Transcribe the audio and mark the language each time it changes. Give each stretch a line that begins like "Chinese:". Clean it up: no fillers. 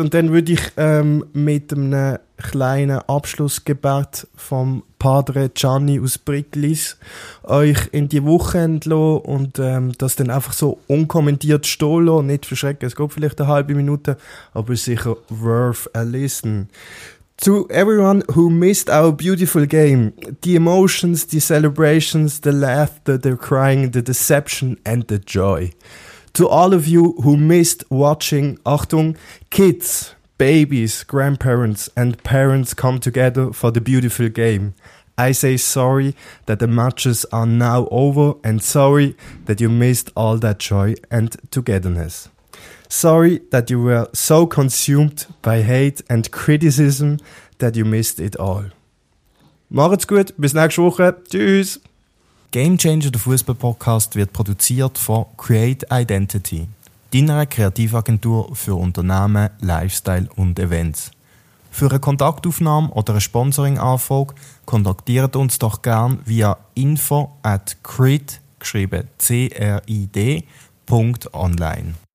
German: Und dann würde ich mit einem kleinen Abschlussgebet vom Padre Gianni aus Briglis euch in die Woche entlassen und das dann einfach so unkommentiert stehen lassen. Nicht verschrecken, es geht vielleicht eine halbe Minute, aber sicher
English: worth a listen. To everyone who missed our beautiful game, the emotions, the celebrations, the laughter, the crying, the deception and the joy. To all of you who missed watching, Achtung, kids, babies, grandparents and parents come together for the beautiful game. I say sorry that the matches are now over and sorry that you missed all that joy and togetherness. Sorry that you were so consumed by hate and criticism that you missed it all.
German: Macht's gut, bis nächste Woche. Tschüss! Game Changer, der Fußball-Podcast, wird produziert von Create Identity, deiner Kreativagentur für Unternehmen, Lifestyle und Events. Für eine Kontaktaufnahme oder eine Sponsoring-Anfrage kontaktiert uns doch gern via info@crit, geschrieben crid.online.